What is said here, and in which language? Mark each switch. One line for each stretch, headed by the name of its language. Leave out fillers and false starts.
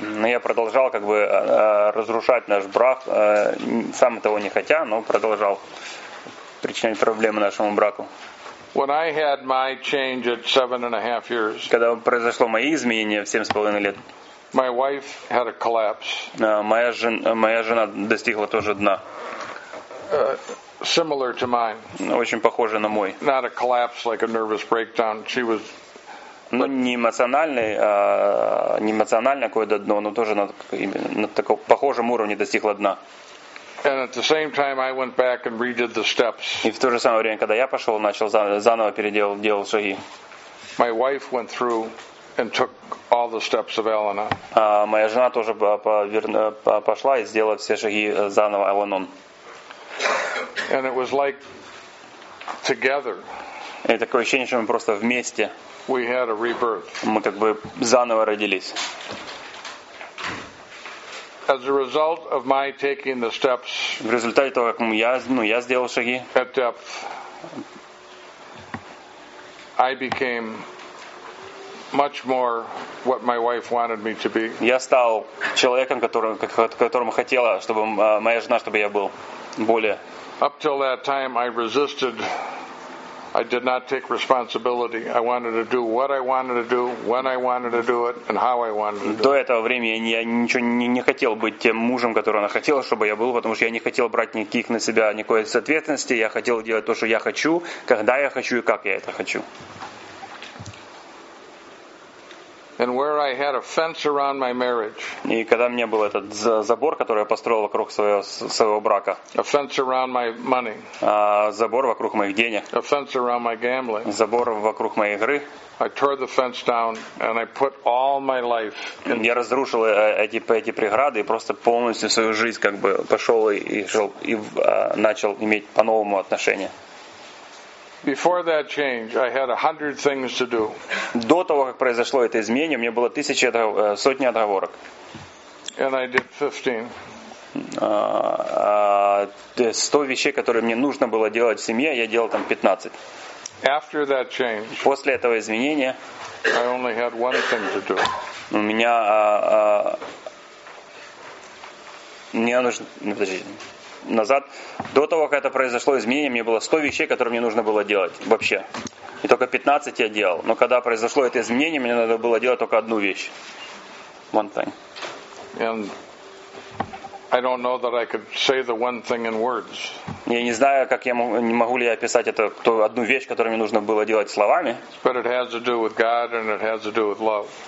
Russian: Но я продолжал как бы разрушать наш брак, сам того не хотя, но продолжал причинять проблемы нашему браку.
English: When I had my change at 7.5 years,
Russian: когда произошло мои изменения в 7.5 лет,
English: my wife had a collapse.
Russian: Моя жена достигла тоже дна.
English: Similar to mine.
Russian: Очень похоже на мой.
English: Not a collapse like a nervous breakdown. She was.
Russian: Но не эмоциональное какое-то дно, но тоже на таком похожем уровне достигла дна.
English: And at the same time, I went back and redid the steps.
Russian: И в то же самое время, когда я пошел, начал заново переделал шаги.
English: My wife went through and took all the steps of Al-Anon.
Russian: Моя жена тоже пошла и сделала все шаги заново Al-Anon.
English: And it was like together.
Russian: И такое ощущение, что мы просто вместе.
English: We had a rebirth.
Russian: Мы как бы заново родились.
English: As a result of my taking the steps.
Russian: В результате того, как я сделал шаги.
English: At depth, I became much more what my wife wanted me to be.
Russian: Я стал человеком, которым хотела, чтобы моя жена, чтобы я был более.
English: Up till that time, I resisted. I did not take responsibility. I wanted to do what I wanted to do, when I wanted to do it, and how I wanted to do it.
Russian: До этого времени я ничего не хотел быть тем мужем, который она хотела, чтобы я был, потому что я не хотел брать никаких на себя никакой ответственности. Я хотел делать то, что я хочу, когда я хочу и как я это хочу.
English: And where I had a fence around my marriage.
Russian: И когда мне был этот забор, который я построил вокруг своего брака.
English: A fence around my money.
Russian: Забор вокруг моих денег.
English: A fence around my gambling.
Russian: Забор вокруг моей игры.
English: I tore the fence down and I put all my life.
Russian: Я разрушил эти преграды и просто полностью свою жизнь как бы пошел и начал иметь по-новому отношения.
English: Before that change, I had 100 things to do.
Russian: До того, как произошло это изменение, у меня было сотни отговорок.
English: And I did 15.
Russian: 100 вещей, которые мне нужно было делать в семье, я делал там 15.
English: After that change,
Russian: после этого изменения,
English: I only had one thing to do.
Russian: У меня мне нужно. Подождите. Назад. До того, как это произошло изменение, мне было 100 вещей, которые мне нужно было делать вообще. И только 15 я делал. Но когда произошло это изменение, мне надо было делать только одну вещь.
English: One thing. And I don't know that I could say the one thing in words.
Russian: Я не знаю, как я могу ли я описать это ту одну вещь, которую мне нужно было делать словами.
English: But it has to do with God and it has to do with love.